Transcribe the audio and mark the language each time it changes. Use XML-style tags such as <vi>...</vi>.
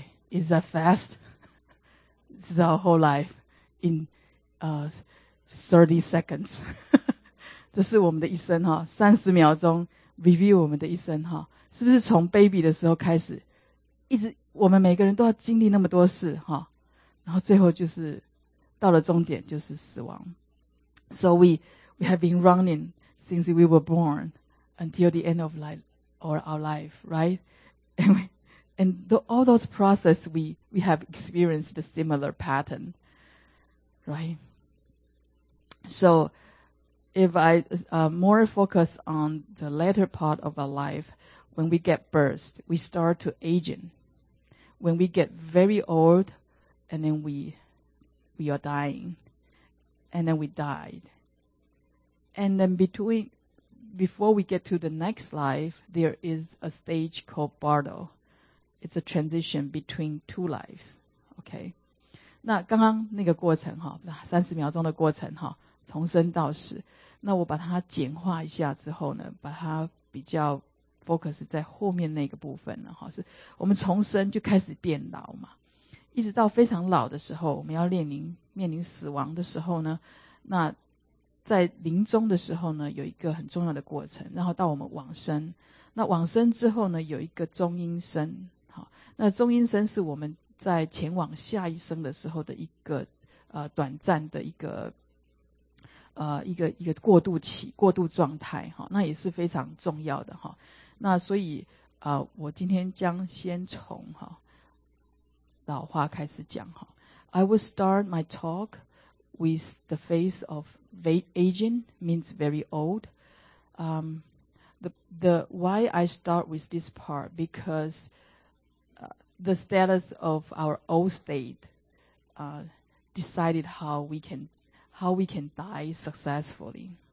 <en>Is that fast? This is our whole life in 30 seconds.</en> <zh>这是我们的一生哈，三十秒钟 review 我们的一生哈，是不是从 baby 的时候开始，一直我们每个人都要经历那么多事哈，然后最后就是到了终点就是死亡。</zh> <en>So we have been running since we were born until the end of life or our life, right? Anyway. And all those process, we have experienced a similar pattern, right? So if I more focus on the later part of our life, when we get birthed, we start to aging. When we get very old, and then we are dying, and then we died. And then before we get to the next life, there is a stage called bardo. It's a transition between two lives, okay?</en> <zh>那刚刚那个过程哈，30秒钟的过程哈，从生到死，那我把它简化一下之后呢，把它比较 focus 在后面那个部分了哈，是我们从生就开始变老嘛，一直到非常老的时候，我们要面临死亡的时候呢，那在临终的时候呢，有一个很重要的过程，然后到我们往生，那往生之后呢，有一个中阴身。那中阴身是我们在前往下一生的时候的一个短暂的一个过渡期、过渡状态哈，那也是非常重要的哈。那所以我今天将先从哈老化开始讲哈。</zh> <en>I will start my talk with the phase of aging, means very old. The why I start with this part because. The status of our old state decided how we can die successfully.</en>